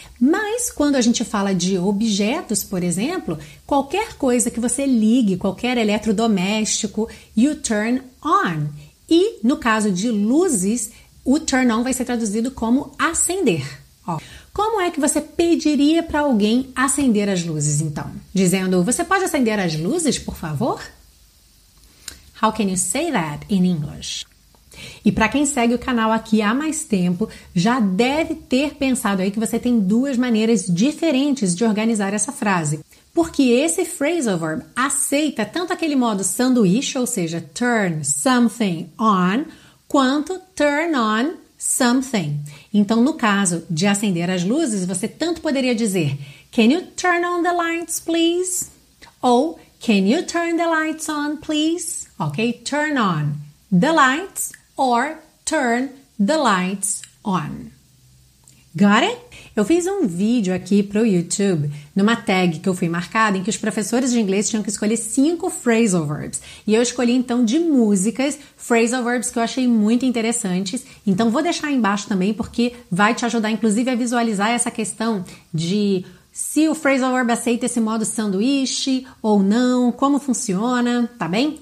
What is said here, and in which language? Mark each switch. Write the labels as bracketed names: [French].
[Portuguese] Mas quando a gente fala de objetos, por exemplo, qualquer coisa que você ligue, qualquer eletrodoméstico, [English] you turn on. [Portuguese] E no caso de luzes, o turn on vai ser traduzido como acender. Ó. Como é que você pediria para alguém acender as luzes, então? Dizendo, você pode acender as luzes, por favor? [English] How can you say that in English? [Portuguese] E para quem segue o canal aqui há mais tempo, já deve ter pensado aí que você tem duas maneiras diferentes de organizar essa frase. Porque esse phrasal verb aceita tanto aquele modo sanduíche, ou seja, [English] turn something on, [Portuguese] quanto [English] turn on something. [Portuguese] Então, no caso de acender as luzes, você tanto poderia dizer, [English] can you turn on the lights, please? [Portuguese] Ou, [English] can you turn the lights on, please? Ok, turn on the lights, or turn the lights on. Got it? [Portuguese] Eu fiz um vídeo aqui pro YouTube, numa tag que eu fui marcada, em que os professores de inglês tinham que escolher 5 phrasal verbs. E eu escolhi, então, de músicas, phrasal verbs que eu achei muito interessantes. Então, vou deixar aí embaixo também, porque vai te ajudar, inclusive, a visualizar essa questão de se o phrasal verb aceita esse modo sanduíche ou não, como funciona, tá bem?